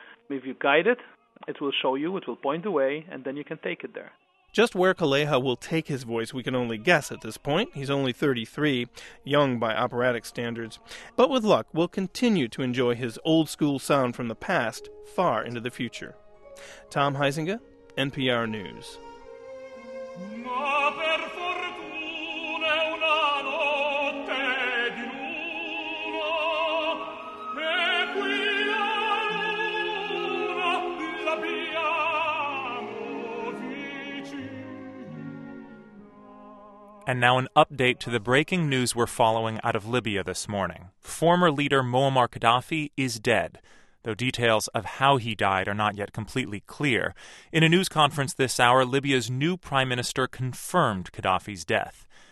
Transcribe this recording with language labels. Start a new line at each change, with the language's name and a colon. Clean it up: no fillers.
English: If you guide it, it will show you, it will point the way, and then you can take it there. Just where Calleja will take his voice, we can only guess at this point. He's only 33, young by operatic standards. But with luck, we'll continue to enjoy his old-school sound from the past far into the future. Tom Heisinger, NPR News.
Italian: Ma per fortuna una notte di luna, e qui la luna l'abbiamo vicina.
English: And now an update to the breaking news we're following out of Libya this morning. Former leader Muammar Gaddafi is dead, though details of how he died are not yet completely clear. In a news conference this hour, Libya's new prime minister confirmed Gaddafi's death.